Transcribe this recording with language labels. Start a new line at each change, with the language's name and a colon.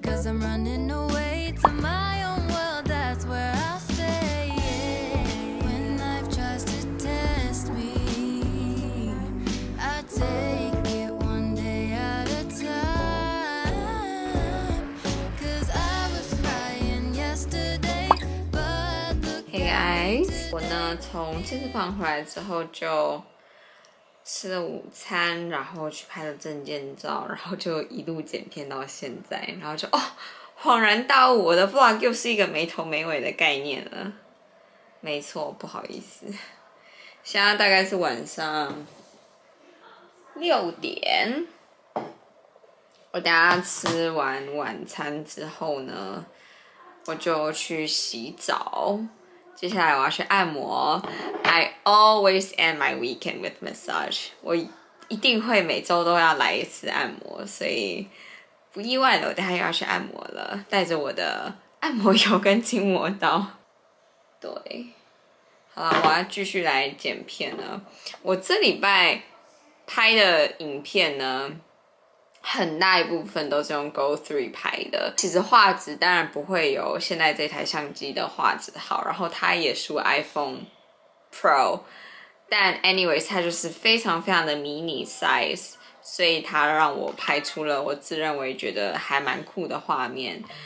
English: Cause I'm running away to my own world, that's where I'll stay. When life tries to test me, I take it one day at a time. Cause I was crying yesterday, but look at today. Hey guys,
Chinese: 我呢从健身房回来之后就吃了午餐，然后去拍了证件照，然后就一路剪片到现在，然后就恍然大悟，我的 vlog 又是一个没头没尾的概念了。没错，不好意思，现在大概是晚上6点。我等一下吃完晚餐之后呢，我就去洗澡。接下来我要去按摩。
English: I always end my weekend with massage.
Chinese: 我一定会每周都要来一次按摩，所以不意外了，我等一下又要去按摩了，带着我的按摩油跟筋膜刀。对，好好啦，我要继续来剪片了。我这礼拜拍的影片呢，很大一部分都是用 Go 3拍的，其实画质当然不会有现在这台相机的画质好，然后它也是 iPhone Pro， 但 anyways 它就是非常非常的 mini size， 所以它让我拍出了我自认为觉得还蛮酷的画面，